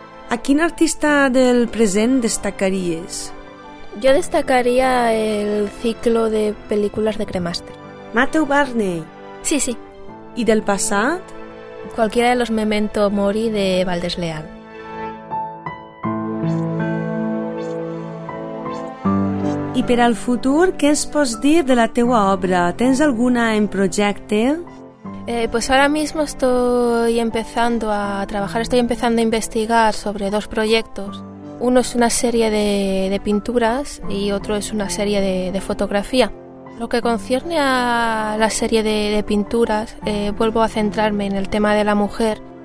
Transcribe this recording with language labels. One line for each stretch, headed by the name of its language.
Spanish: ¿A quién artista del present destacarías? Yo destacaría el ciclo de películas de Cremaster. ¿Matthew Barney? Sí, sí. ¿Y del pasado? Cualquiera de los Memento Mori de Valdés Leal.
Catalan: I per al futur, què ens pots dir de la teua obra? Tens alguna en projecte?
Spanish: Pues ahora mismo estoy empezando a trabajar, estoy empezando a investigar sobre dos proyectos. Uno es una serie de pinturas y otro es una serie de fotografía. Lo que concierne a la serie de pinturas, vuelvo a centrarme en el tema de la mujer.